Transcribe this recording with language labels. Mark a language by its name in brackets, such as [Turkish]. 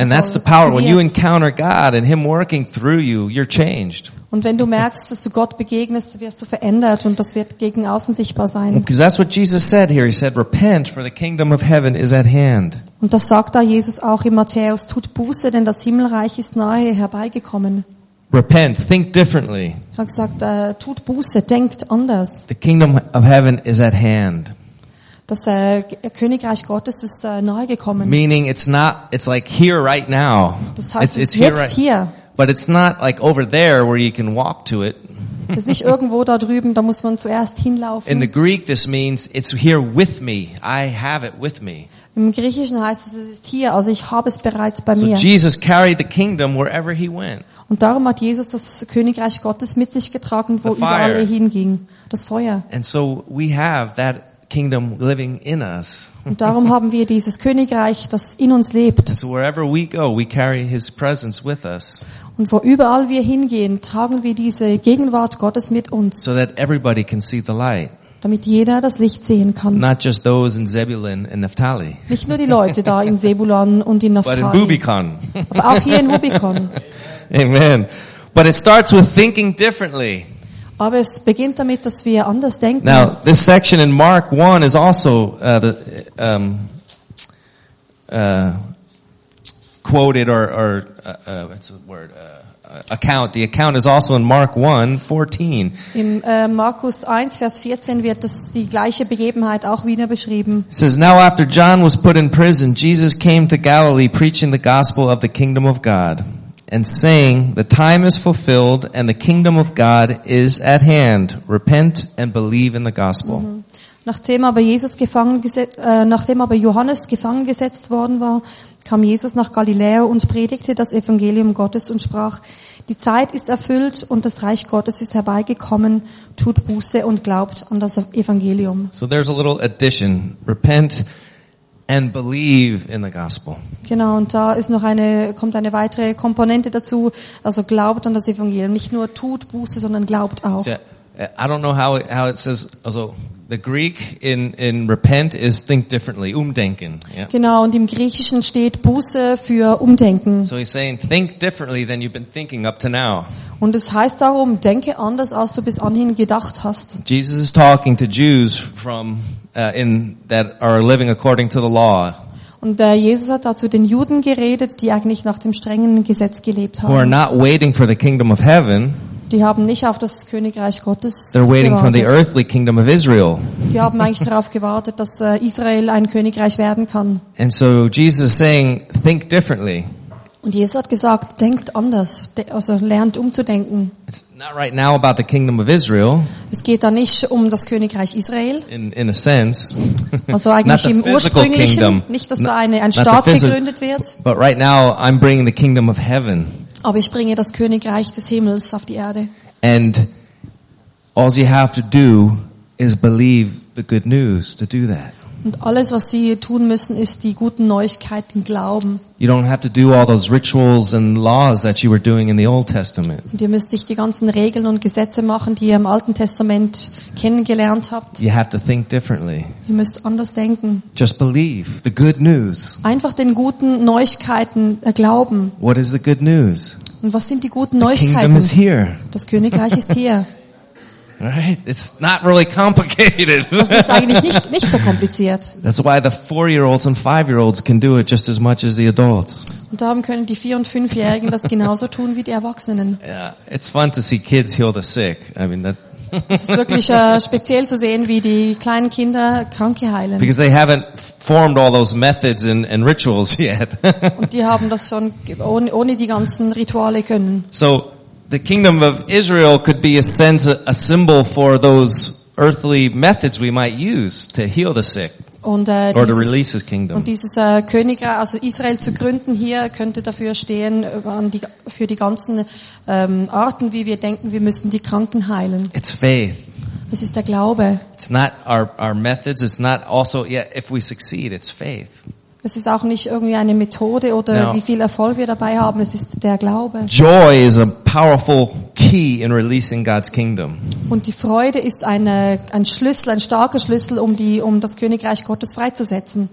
[English] and [German] soll. [English] And that's the power. When you encounter God and Him working through you, you're changed. [German] Und wenn du merkst, dass du Gott begegnest, wirst du verändert und das wird gegen außen sichtbar sein. [English] Because that's what Jesus said here. He said, "Repent, for the kingdom of heaven is at hand." [German] Und das sagt da Jesus auch in Matthäus: Tut Buße, denn das Himmelreich ist nahe herbeigekommen. [English] Repent, think differently. [German] Er hat gesagt: Tut Buße, denkt anders. [English] The kingdom of heaven is at hand. [German] Das Königreich Gottes ist nahe gekommen. [English] Meaning, it's not. It's like here right now. [German] Das heißt, [English] it's [German] jetzt [English] here. [German] Hier. [English] But it's not like over there where you can walk to it. [German] Es ist nicht irgendwo da drüben, da muss man zuerst hinlaufen. [English] In the Greek this means it's here with me. I have it with me. [German] Im Griechischen heißt es, es ist hier, also ich habe es bereits bei mir. [English] So Jesus carried the kingdom wherever he went. [German] Und darum hat Jesus das Königreich Gottes mit sich getragen, wo überall er hinging, das Feuer. [English] And so we have that kingdom living in us. [German] Und darum haben wir dieses Königreich, das in uns lebt. [English] So wherever we go, we carry his presence with us. [German] Und wo überall wir hingehen, tragen wir diese Gegenwart Gottes mit uns. [English] So that everybody can see the light. [German] Damit jeder das Licht sehen kann. [English] Not just those in Zebulun and Naphtali. [German] Nicht nur die Leute da in Zebulun und in Naphtali. [English] But in Bubikon. [German] Aber auch hier in Bubikon. [English] Amen. But it starts with thinking differently. [German] Aber es beginnt damit, dass wir anders denken. [English] Now, this section in Mark 1 is also quoted account. The account is also in Mark 1:14. [German] In Markus 1, Vers 14 wird das die gleiche Begebenheit auch wieder beschrieben. [English] It says, "Now after John was put in prison, Jesus came to Galilee, preaching the gospel of the kingdom of God." And saying, the time is fulfilled and the kingdom of God is at hand. Repent and believe in the gospel. Mm-hmm. [German] Nachdem aber Johannes gefangen gesetzt worden war, kam Jesus nach Galiläa und predigte das Evangelium Gottes und sprach, die Zeit ist erfüllt und das Reich Gottes ist herbeigekommen. Tut Buße und glaubt an das Evangelium. [English] So there's a little addition. Repent and believe in the gospel. [German] Genau, und da ist noch eine kommt eine weitere Komponente dazu, also glaubt an das Evangelium, nicht nur tut Buße, sondern glaubt auch. [English] I don't know how it says, also the Greek in repent is think differently, umdenken. Yeah. [German] Genau, und im Griechischen steht Buße für umdenken. [English] So he's saying think differently than you've been thinking up to now. [German] Und es heißt darum, denke anders, als du bis anhin gedacht hast. [English] Jesus is talking to Jews from in that are living according to the law. [German] Und Jesus hat dazu den Juden geredet, die eigentlich nach dem strengen Gesetz gelebt haben. [English] Who are not waiting for the kingdom of heaven. [German] Die haben nicht auf das Königreich Gottes gewartet. [English] They're waiting for the earthly kingdom of Israel. [German] Die haben eigentlich darauf gewartet, dass Israel ein Königreich werden kann. [English] And so Jesus is saying, think differently. [German] Und Jesus hat gesagt, denkt anders, also lernt umzudenken. [English] It's not right now about the kingdom of Israel. [German] Es geht da nicht um das Königreich Israel. [English] In a sense. [German] Also eigentlich im ursprünglichen, nicht dass da ein Staat gegründet wird. [English] But right now I'm bringing the kingdom of heaven. [German] Aber ich bringe das Königreich des Himmels auf die Erde. [English] And all you have to do is believe the good news to do that. [German] Und alles, was sie tun müssen, ist die guten Neuigkeiten glauben. [English] You don't have to do all those rituals and laws that you were doing in the Old Testament. [German] Und ihr müsst nicht die ganzen Regeln und Gesetze machen, die ihr im Alten Testament kennengelernt habt. [English] You have to think differently. [German] Ihr müsst anders denken. [English] Just believe the good news. [German] Einfach den guten Neuigkeiten glauben. [English] What is the good news? [German] Und was sind die guten Neuigkeiten? [English] The kingdom is here. [German] Das Königreich ist hier. [English] Right? It's not really complicated. [German] Das ist eigentlich nicht so kompliziert. [English] That's why the 4-year-olds and 5-year-olds can do it just as much as the adults. [German] Und darum können die 4- und 5-Jährigen das genauso tun wie die Erwachsenen. [English] Yeah, it's fun to see kids heal the sick. I mean that. [German] Es ist wirklich speziell zu sehen, wie die kleinen Kinder Kranke heilen. [English] Because they haven't formed all those methods and rituals yet. [German] Und die haben das schon ohne die ganzen Rituale können. [English] So the kingdom of Israel could be a sense, a symbol for those earthly methods we might use to heal the sick. [German] Und, [English] or to release his kingdom. [German] Und dieses Königreich, also Israel zu gründen hier, könnte dafür stehen, für die ganzen Arten, wie wir denken, wir müssen die Kranken heilen. [English] It's faith. [German] Es ist der Glaube. [English] It's not our methods, it's not also, yeah, if we succeed, it's faith. [German] Es ist auch nicht irgendwie eine Methode oder now, wie viel Erfolg wir dabei haben, es ist der Glaube. [English] Joy is a powerful key in releasing God's kingdom. [German] Und die Freude ist ein Schlüssel, ein starker Schlüssel, um das Königreich Gottes freizusetzen.